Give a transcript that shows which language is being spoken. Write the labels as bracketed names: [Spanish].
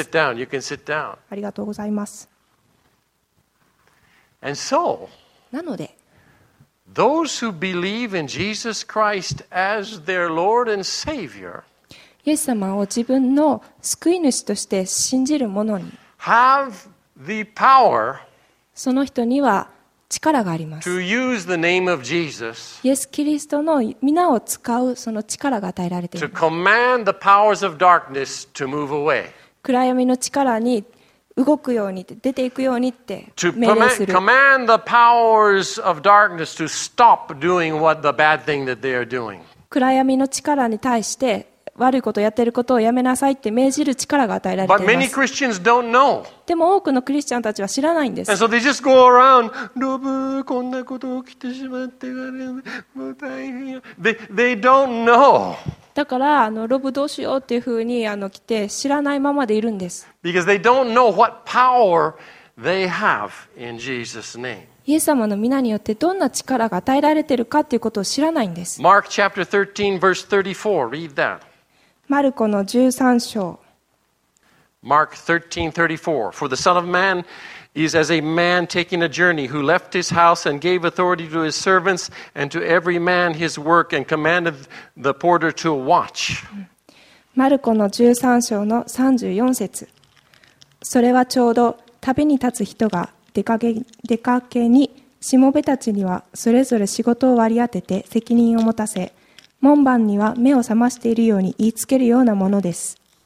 [English] Thank you. You can sit down. You can sit down. [Japanese] ありがとうございます。 [English] And so, [Japanese] なので、 [English] those who believe in Jesus Christ as their Lord and Savior, [Japanese] イエス様を自分の救い主として信じる者に、 [English] have the power [Japanese] その人には力があります。 [English] To use the name of Jesus, [Japanese] イエス・キリストの皆を使うその力が与えられています。 [English] To command the powers of darkness to move away. [Japanese] 暗闇の力に動くように出ていくようにって命令する。 [English] To command the powers of darkness to stop doing what the bad thing that they are doing. [Japanese] 暗闇の力に対して悪いことをやっていることをやめなさいって命じる力が与えられています。でも多くのクリスチャンたちは知らないんです。 [English] And so they just go around, [Japanese] ロブこんなこと起きてしまってもう大変よ。 [English] They don't know. [Japanese] だからロブどうしようっていうふうに来て知らないままでいるんです。 [English] Because they don't know what power they have in Jesus' name. [Japanese] イエス様の御名によってどんな力が与えられているかということを知らないんです。 [English] Mark chapter 13, verse 34. Read that. [Japanese] マルコの13章。 [English] Mark 13, 34. For the Son of Man is as a man taking a journey, who left his house and gave authority to his servants and to every man his work and commanded the porter to watch. [Japanese] マルコの13章の34節。それはちょうど旅に立つ人が出かけにしもべたちにはそれぞれ仕事を割り当てて責任を持たせ、門番には目を覚ましているように言いつけるようなものです。